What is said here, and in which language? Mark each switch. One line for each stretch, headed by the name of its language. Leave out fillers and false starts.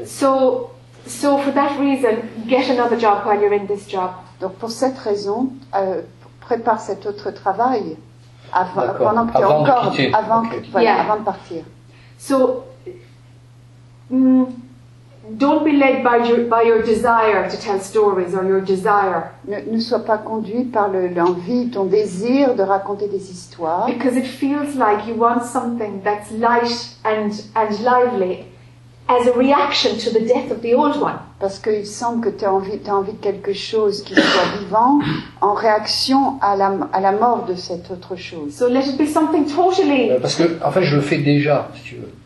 English: So for that reason, get another job while you're in this job.
French: Donc pour cette raison, prépare cet autre travail avant de partir.
English: So, don't be led by your desire to tell stories or your desire.
French: Ne sois pas conduit par l'envie, ton désir de raconter des histoires.
English: Because it feels like you want something that's light and lively. As a reaction to the death of the old one.
French: Parce qu'il semble que tu as envie de quelque chose qui soit vivant en réaction à la mort de cette autre chose.
English: So let it be something totally.
French: Parce que en fait je le fais déjà, si tu veux.